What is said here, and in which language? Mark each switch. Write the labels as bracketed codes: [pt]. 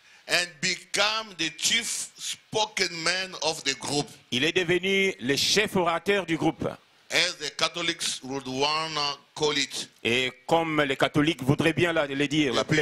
[en] And become the chief spoken man of the group. [fr] Il est devenu le chef orateur du groupe. [en] As the Catholics would want to call it. [fr] Et comme les catholiques voudraient bien le dire, l'appeler.